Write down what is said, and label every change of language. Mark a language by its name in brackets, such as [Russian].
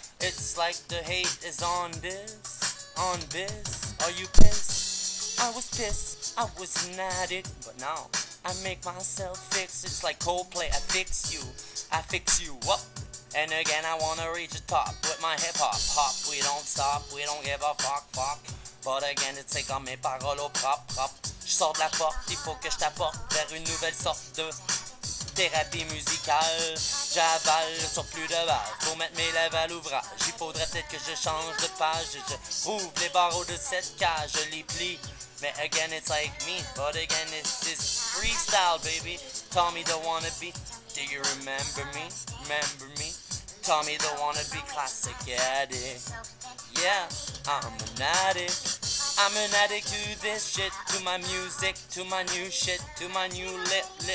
[English] It's like the hate is on this, are you pissed? I was an addict, but now I make myself fix. It's like Coldplay, I fix you up. And again, I wanna reach the top with my hip-hop. Hop, we don't stop, we don't give a fuck. But again, it's like [French] mes paroles au prop. Je sors de la porte, il faut que je t'apporte vers une nouvelle sorte de thérapie musicale. J'avale sur plus de balles. Faut mettre mes lèvres à l'ouvrage. Il faudrait peut-être que je change de page. Je rouvre les barreaux de cette cage. Je les plie. Mais [English] again it's like me. But again it's freestyle baby. Tommy don't wanna be. Do you remember me? Remember me? Tommy don't wanna be. Classic addict. Yeah, I'm an addict. I'm an addict to this shit. To my music, to my new shit. To my new lip.